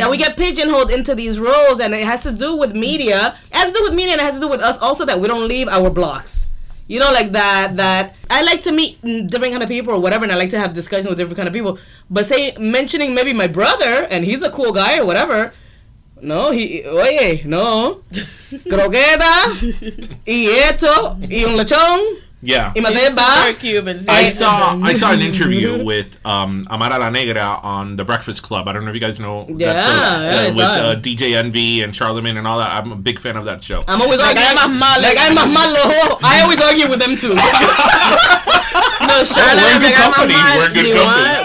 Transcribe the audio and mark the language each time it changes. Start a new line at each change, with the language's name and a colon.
English: Now we get pigeonholed into these roles, and it has to do with media. It has to do with media, and it has to do with us also, that we don't leave our blocks. You know, like that I like to meet different kind of people or whatever, and I like to have discussions with different kind of people. But say, mentioning maybe my brother, and he's a cool guy or whatever.
Spanish: No, Croqueta, y esto, y un lechón.
English: Yeah.
Spanish: Y
English: I saw an interview with Amara La Negra on The Breakfast Club. I don't know if you guys know that show. Yeah, with DJ Envy and Charlamagne and all that. I'm a big fan of that show. I'm always arguing. I always argue with them too. No, we're good company.